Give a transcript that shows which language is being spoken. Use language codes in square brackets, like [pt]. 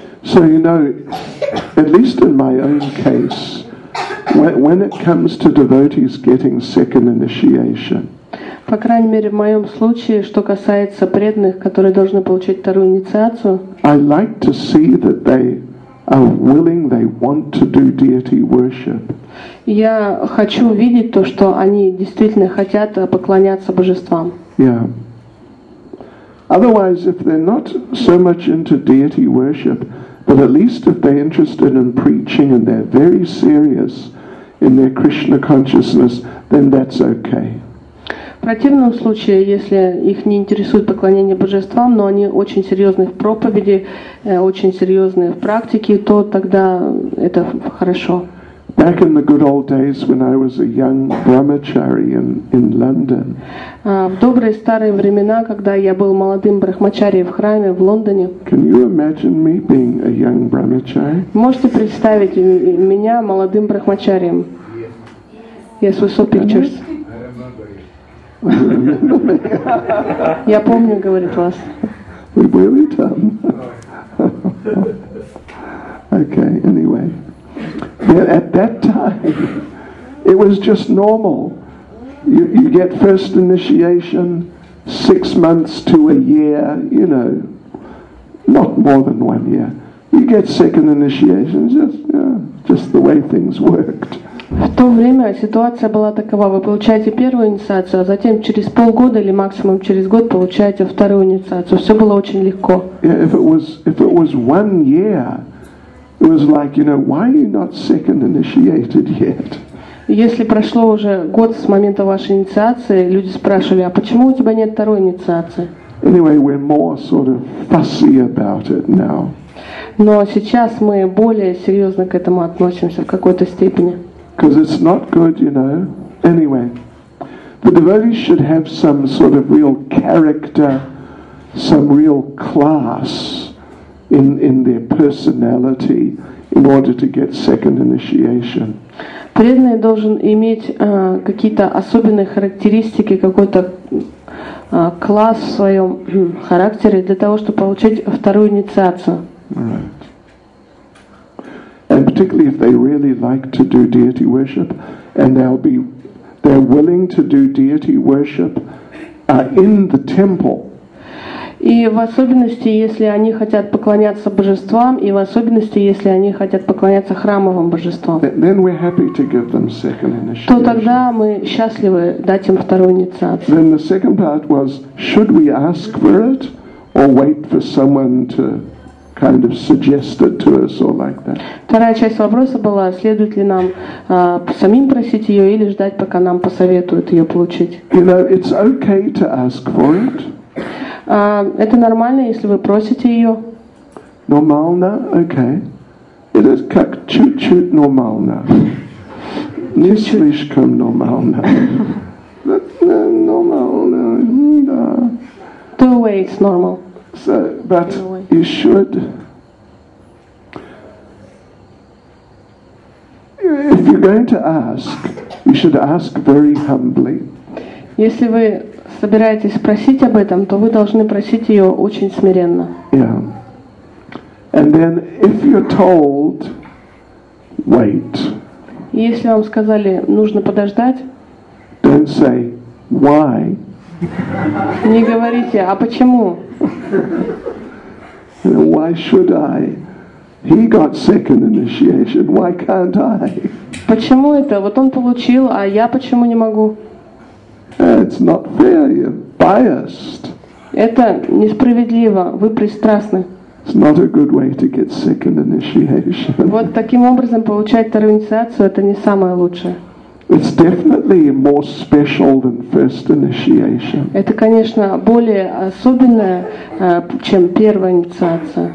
[en] So you know, at least in my own case, when it comes to devotees getting second initiation. [ru] По крайней мере, в моём случае, что касается преданных, которые должны получить вторую инициацию, [en] I like to see that they are willing, they want to do deity worship. [ru] Я хочу видеть то, что они действительно хотят поклоняться божествам. [en] Yeah. Otherwise, if they're not so much into deity worship, but at least if they're interested in preaching and they're very serious in their Krishna consciousness, then that's okay. [ru] В противном случае, если их не интересует поклонение божествам, но они очень серьезны в проповеди, очень серьезны в практике, то тогда это хорошо. [en] Back in the good old days when I was a young brahmachari in London. [ru] В добрые старые времена, когда я был молодым брахмачари в храме в Лондоне. [en] Can you imagine me being a young brahmachari? [ru] Можете представить меня молодым брахмачарием? [en] Yes, we saw pictures. [ru] Я помню, говорит вас. [en] We were [ru] там. [en] Okay, anyway. At that time, it was just normal. You get first initiation 6 months to a year, you know, not more than 1 year. You get second initiation, just the way things worked. [ru] В то время ситуация была такова: вы получаете первую инициацию, а затем через полгода или максимум через год получаете вторую инициацию. Все было очень легко. [en] Yeah, if it was 1 year. It was like, you know, why are you not second initiated yet? [ru] Если прошло уже год с момента вашей инициации, люди спрашивали, а почему у тебя нет второй инициации? [en] Anyway, we're more sort of fussy about it now. [ru] Но сейчас мы более серьезно к этому относимся в какой-то степени. [en] Because it's not good, you know. Anyway, the devotees should have some sort of real character, some real class in their personality in order to get second initiation. [ru] Преданный должен иметь какие-то особенные характеристики, какой-то класс в своем характере для того, чтобы получить вторую инициацию. [en] Right. And particularly if they really like to do deity worship, and they're willing to do deity worship in the temple. [ru] И в особенности, если они хотят поклоняться божествам, и в особенности, если они хотят поклоняться храмовым божествам. [en] Then we're happy to give them second initiation. [ru] То тогда мы счастливы дать им вторую инициацию. [en] Then the second part was, should we ask for it or wait for someone to kind of suggest it to us or like that? [ru] Вторая часть вопроса была, следует ли нам самим просить ее или ждать, пока нам посоветуют ее получить? [en] You know, it's okay to ask for it. [ru] Это нормально, если вы просите ее. Нормально, okay. [en] It is [ru] как чуть-чуть нормально. Не слишком нормально. Нормально, да. [en] Two ways normal. So, but you should. If you're going to ask, you should ask very humbly. [ru] Если вы собираетесь спросить об этом, то вы должны просить ее очень смиренно. [en] Yeah. And then if you're told, wait. [ru] Если вам сказали, нужно подождать, [en] then say, why? [ru] Не говорите, а почему? [en] Why should I? He got second initiation, why can't I? [ru] Почему это? Вот он получил, а я почему не могу? [en] It's not fair, you're biased. [ru] Это несправедливо, вы пристрастны. [en] It's not a good way to get second initiation. [ru] Вот таким образом получать вторую инициацию, это не самое лучшее. [en] It's definitely more special than first initiation. [ru] Это, конечно, более особенное, чем первая инициация.